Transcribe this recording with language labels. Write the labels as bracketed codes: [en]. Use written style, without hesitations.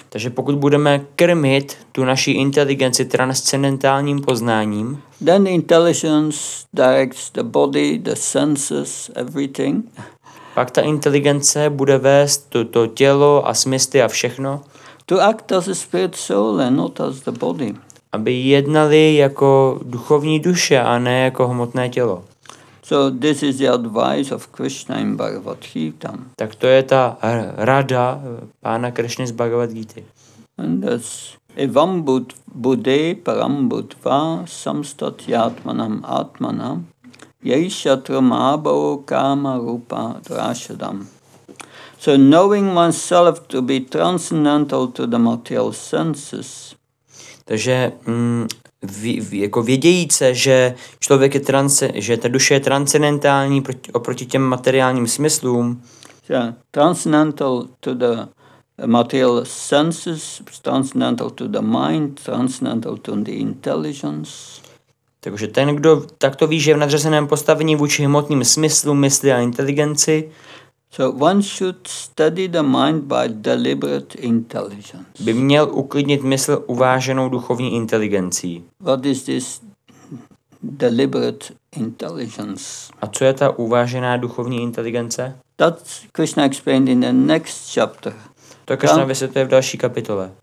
[cs] Takže pokud budeme krmit tu naši inteligenci transcendentálním poznáním, [en] then the intelligence directs the body, the senses, everything. [cs] Pak ta inteligence bude vést to tělo a smysly a všechno. [en] To act as a spirit soul and not as the body. [cs] Aby jednali jako duchovní duše a ne jako hmotné tělo. [en] So this is the advice of Krishna in Bhagavad Gita. [cs] Tak to je ta rada pána Krishny z Bhagavad Gita. [en] And that's [sa] evam buddhe param buddhva samstatyatmanam atmanam yaishatram abho kama rupa drashadam. [en] So knowing oneself to be transcendental to the material senses. [cs] Takže jako vědějíc se, že člověk je že ta duše je transcendentální oproti těm materiálním smyslům. [en] Yeah, transcendental to the material senses, transcendental to the mind, transcendental to the intelligence. [cs] Takže ten, kdo takto ví, že je v nadřazeném postavení vůči hmotným smyslům, mysli a inteligenci. [en] So one should study the mind by deliberate intelligence. [cs] By měl uklidnit mysl uváženou duchovní inteligencí. [en] What is this deliberate intelligence? [cs] A co je ta uvážená duchovní inteligence? [en] That's Krishna explained in the next chapter. [cs] To Krishna vysvětluje v další kapitole.